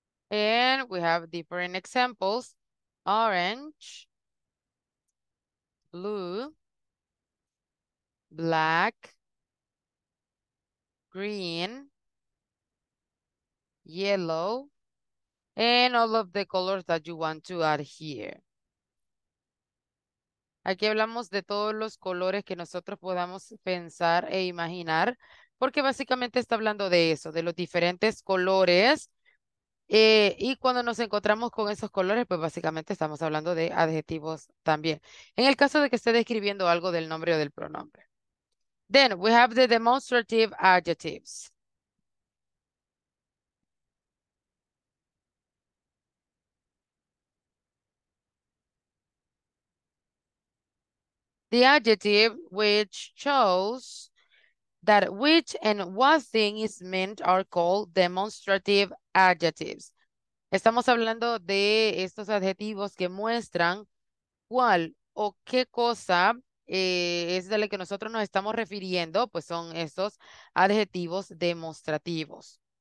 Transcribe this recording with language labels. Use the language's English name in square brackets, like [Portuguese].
[English] again, we have different examples. Orange, blue, black, green, yellow, and all of the colors that you want to add here. [Spanish] Aquí hablamos de todos los colores que nosotros podamos pensar e imaginar, porque básicamente está hablando de eso, de los diferentes colores. Y cuando nos encontramos con esos colores, pues básicamente estamos hablando de adjetivos también. En el caso de que esté describiendo algo del nombre o del pronombre. [English] Then we have the demonstrative adjectives. The adjective which shows that which and what thing is meant are called demonstrative adjectives. [Spanish] Estamos hablando de estos adjetivos que muestran cuál o qué cosa es de la que nosotros nos estamos refiriendo, pues son estos adjetivos demostrativos.